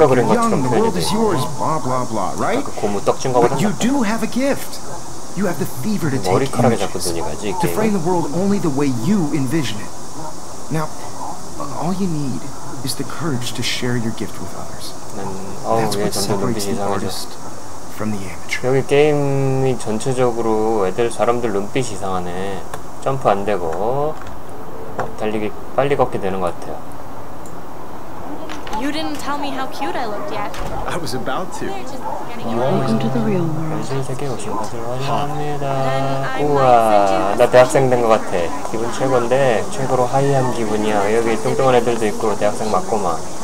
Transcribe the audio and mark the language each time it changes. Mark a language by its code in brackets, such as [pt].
[en] You're young, the world is yours, blah, blah, blah, right? But you do have a gift. You have the fever to take images, to frame the world only the way you envision it. Now, all you need is the courage to share your gift with others. That's what separates the artist. [ko] 여기 게임이 전체적으로 애들 사람들 눈빛이 이상하네. 점프 안 되고 달리기 빨리 걷게 되는 것 같아요. [en] You didn't tell me how cute I looked yet. I was about to. Welcome to the real world. [ko] 현실 세계에 오신 것을 환영합니다. 우와, 나 대학생 된 것 같아. 기분 최고인데 최고로 하이한 기분이야. 여기 뚱뚱한 애들도 있고 대학생 맞고만.